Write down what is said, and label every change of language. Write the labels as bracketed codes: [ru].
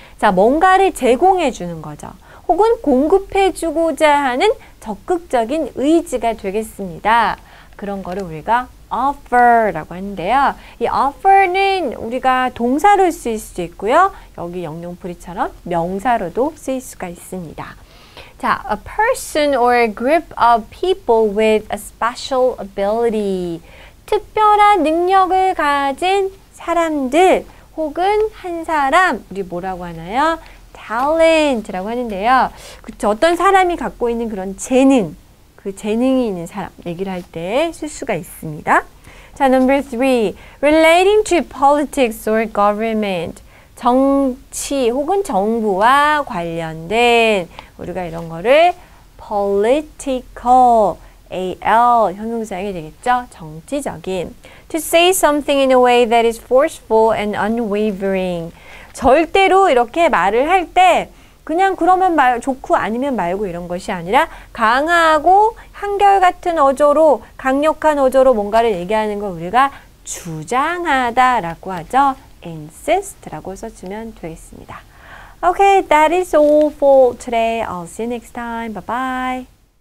[ko] 자, 뭔가를 제공해 주는 거죠. 혹은 공급해 주고자 하는 적극적인 의지가 되겠습니다. 그런 거를 우리가 offer라고 하는데요. 이 offer는 우리가 동사로 쓰일 수도 있고요. 여기 영영풀이처럼 명사로도 쓰일 수가 있습니다. [en] 자, a person or a group of people with a special ability. [ko] 특별한 능력을 가진 사람들 혹은 한 사람, 우리 뭐라고 하나요? talent라고 하는데요. 그쵸. 어떤 사람이 갖고 있는 그런 재능, 그 재능이 있는 사람 얘기를 할때쓸 수가 있습니다. [en] 자, number three, relating to politics or government. [ko] 정치 혹은 정부와 관련된, 우리가 이런 거를 political, AL, 형용사형이 되겠죠? 정치적인. [en] To say something in a way that is forceful and unwavering. [ko] 절대로 이렇게 말을 할 때, 그냥 그러면 말 좋고 아니면 말고 이런 것이 아니라 강하고 한결같은 어조로, 강력한 어조로 뭔가를 얘기하는 걸 우리가 주장하다라고 하죠. insist라고 써주면 되겠습니다. [en] Okay, that is all for today. I'll see you next time. Bye bye.